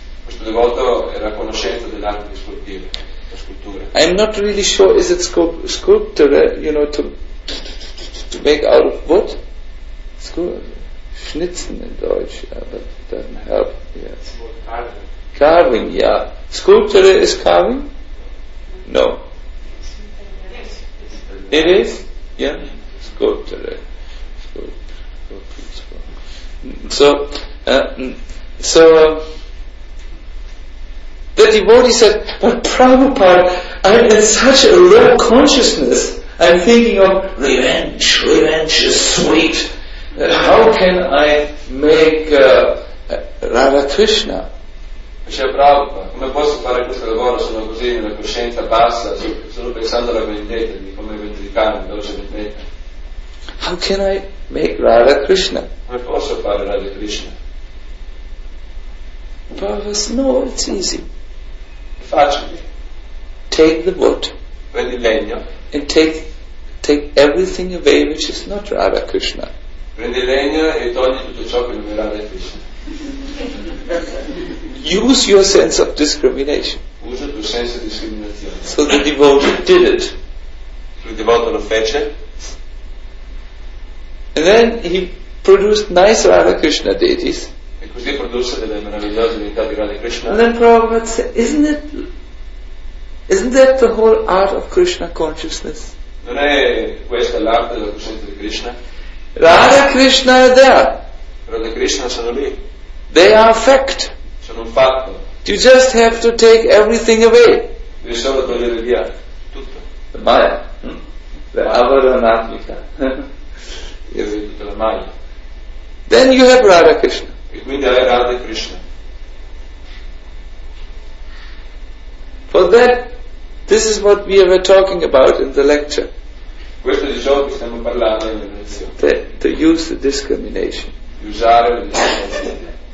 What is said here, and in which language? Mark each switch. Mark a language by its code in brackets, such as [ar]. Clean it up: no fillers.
[it] Questo devoto era a conoscenza dell'arte di scolpire, la scultura. [en] I'm not really sure, is it sculpture, you know, to make out of wood? Schnitzen in Deutsch, but it doesn't help, yes. Carving, yeah. Sculpture is carving? No. It is? Yeah? Sculpture. So, the devotee said, but Prabhupada, I'm in such a low consciousness, I'm thinking of revenge is sweet. How can I make Radha Krishna? [it] Dice Prabhupada, come posso fare questo lavoro, sono così nella coscienza bassa, solo pensando alla vendetta, di come vendicare la dolce vendetta. [en] How can I make Radha Krishna? [it] Come posso fare Radha Krishna? [en] Prabhupada says, no, it's easy. [it] Facile. [en] Take the wood. [it] Prendi il legno. [en] And take everything away which is not Radha Krishna. [it] Prendi il legno e togli tutto ciò che non è Radha Krishna. [en] Use your sense of discrimination. [it] Usa il tuo senso di discriminazione. [en] So the devotee did it. [it] Il devoto lo fece. [en] And then he produced nice Radha Krishna deities. [it] E così produsse delle meravigliose divinità di Radha Krishna. [en] And then Prabhupada said, isn't that the whole art of Krishna consciousness? [it] Non è questa l'arte della coscienza di Krishna? [en] Radha Krishna è there. [it] Radha Krishna sono lì. [en] They are fact. [it] Sono un fatto. [en] You just have to take everything away. [it] Devi solo togliere via tutto. [en] The Maya. The Avaranatmika. Yes. Then you have Radha Krishna. [it] E quindi hai Radha Krishna. [en] For that, this is what we were talking about in the lecture. [it] Questo è di ciò che stiamo parlando in lezione. [en] To use the discrimination. [it] Usare la discriminazione.